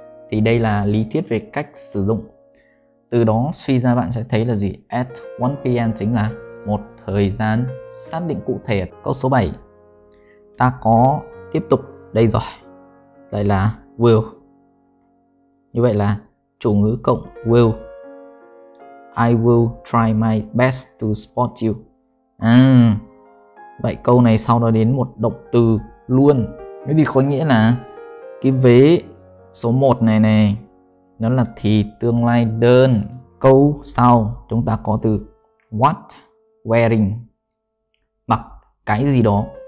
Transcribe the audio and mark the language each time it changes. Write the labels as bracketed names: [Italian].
[Vietnamese] Thì đây là lý thuyết về cách sử dụng. Từ đó suy ra bạn sẽ thấy là gì? [English] At 1 p.m. [Vietnamese] chính là một thời gian xác định cụ thể. Câu số 7, ta có tiếp tục đây rồi, đây là will. Như vậy là chủ ngữ cộng will. [English] I will try my best to spot you. [Vietnamese] À, vậy câu này sau đó đến một động từ luôn. Nếu thì có nghĩa là cái vế số 1 này này, nó là thì tương lai đơn. Câu sau chúng ta có từ what wearing, mặc cái gì đó.